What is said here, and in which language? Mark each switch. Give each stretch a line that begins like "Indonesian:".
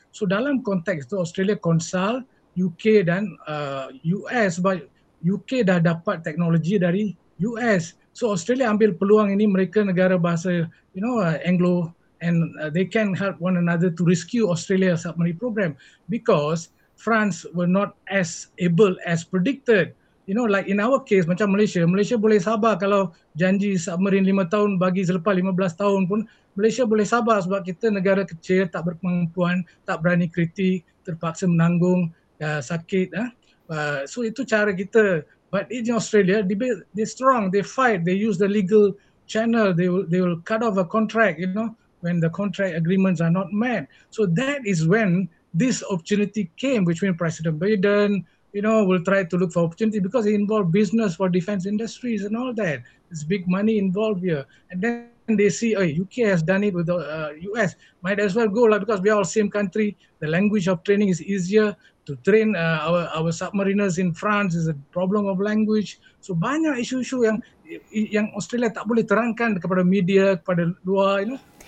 Malay: So dalam konteks itu Australia konsul UK dan US, sebab UK dah dapat teknologi dari US.
English: So
Malay: Australia ambil peluang ini, mereka negara bahasa,
English: you know, Anglo, and they can help one another to rescue Australia submarine program, because France were not as able as predicted. You know, like in our case,
Malay: macam Malaysia. Malaysia boleh sabar kalau janji submarine 5 tahun bagi selepas 15 tahun pun, Malaysia boleh sabar sebab kita negara kecil, tak berkemampuan, tak berani kritik, terpaksa menanggung sakit. So itu cara kita.
English: But in Australia, they strong, they fight, they use the legal channel, they will cut off a contract, you know, when the contract agreements are not met. So that is when this opportunity came between President Biden, you know, will try to look for opportunity because it involved business for defense industries and all that. There's big money involved here. And then they see, oh, UK has done it with the US. Might as well go, like, because we are all same country. The language of training is easier. To train our submariners in France is a problem of language.
Malay: So banyak isu-isu yang Australia tak boleh terangkan kepada media, kepada luar,
English: you know.